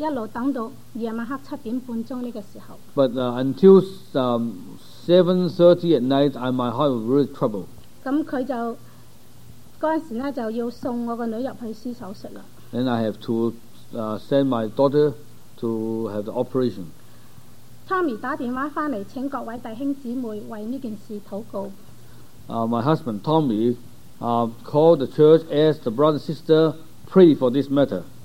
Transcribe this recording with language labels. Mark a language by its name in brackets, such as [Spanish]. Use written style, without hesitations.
[Chinese] 但是我的心呢,当日呢,就真的很烦恼,一直等到夜晚黑7:30这个时候。 [English] But until 7:30 at night, my heart was really troubled. [Chinese] 那他就,那时候呢,就要送我的女儿进去施手术了。 [English] And I have to send my daughter to have the operation. [Chinese] Tommy打电话回来,请各位弟兄姊妹为这件事祷告。 [English] My husband, Tommy, called the church, asked the brother and sister, pray for this matter.